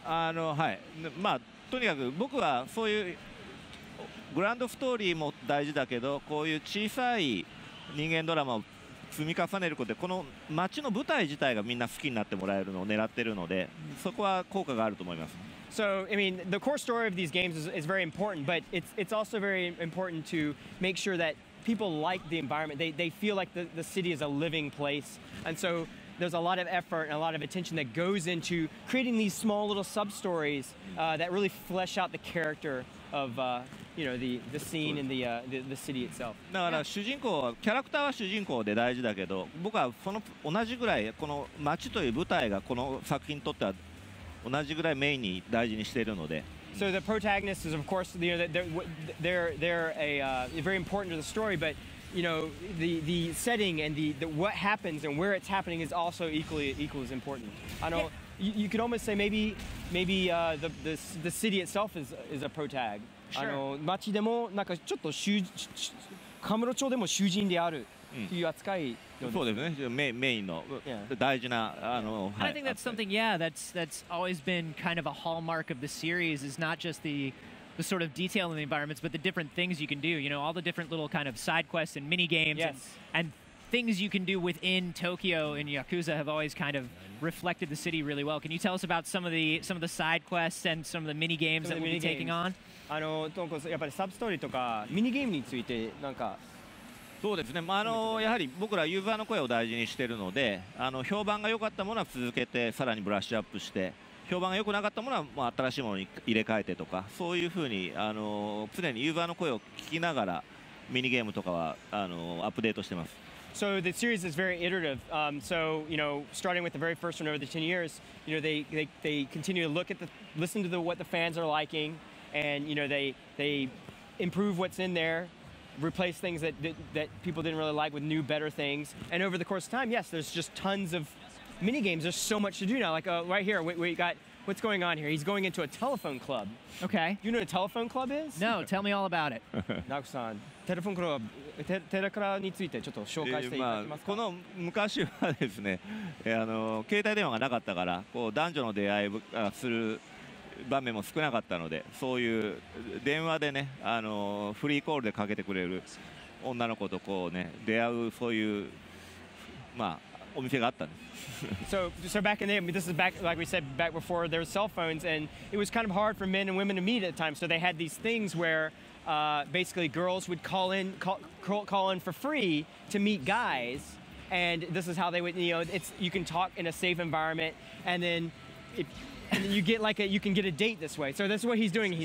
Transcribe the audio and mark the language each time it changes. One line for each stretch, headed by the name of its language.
Japanese: はい、まあ、とにかく僕はそういうグランドストーリーも大事だけど、こういう小さい人間ドラマを積み重ねることで、この街の舞台自体がみんな好きになってもらえるのを狙ってるので、そこは効果があると思います。
English: So, I mean, the core story of these games is very important, but it's also very important to make sure thatPeople like the environment. They feel like the city is a living place. And so there's a lot of effort and a lot of attention that goes into creating these small little sub-stories that really flesh out the character of you know, the scene and the city itself.
Japanese: だから主人公は、キャラクターは主人公で大事だけど、僕はその同じぐらいこの街という舞台がこの作品にとっては同じぐらいメインに大事にしているので。
English: So the protagonist is, of course, you know, they're very important to the story, but you know, the setting and the what happens and where it's happening is also equally as important. I know, you could almost say maybe the city itself is a protag. Sure.
Japanese: あの、街でもなんかちょっと囚、カムロ町でも囚人であるという扱い。そうですね。メインの大事な、あの、はい。
English: I think that's something, yeah, that's always been kind of a hallmark of the series is not just the sort of detail in the environments, but the different things you can do. You know, all the different little kind of side quests and mini games. Yes. And things you can do within Tokyo in Yakuza have always kind of reflected the city really well. Can you tell us about some of the side quests and some of the mini games that we'll be taking on?
Japanese: あの、とんこやっぱりサブストーリーとかミニゲームについてなんか。そうですね、まあ、あのやはり僕らユーザーの声を大事にしているので、あの評判が良かったものは続けてさらにブラッシュアップして、評判が良くなかったものはまあ新しいものに入れ替えてとか、そういうふうにあの常にユーザーの声を聞きながらミニゲームとかはあのアップデートしてます。
English: So the series is very iterative. So, you know, starting with the very first one over the 10 years, you know, they continue to look at the, listen to the, what the fans are liking, and you know, they improve what's in thereReplace things that people didn't really like with new, better things. And over the course of time, yes, there's just tons of mini games. There's so much to do now. Like right here, we got what's going on here. He's going into a telephone club. Okay. Do you know what a telephone club is? No. Tell me all about it. Nagoshi-san, telephone club.
Japanese: テレクラについてちょっと紹介していただけますか。この昔はですね、あの携帯電話がなかったから、こう男女の出会いをする。場面も少なかったので、そういう電話でね、あのフリーコールでかけてくれる女の子とこうね、出会うそういう、まあ、お店があったんです。
English: So back in the day, this is back, like we said, back before there were cell phones, and it was kind of hard for men and women to meet at the time, so they had these things where, basically girls would call in for free to meet guys, and this is how they would, you know, it's, you can talk in a safe environment, and then if,And then you can get a date this way. So that's what he's doing.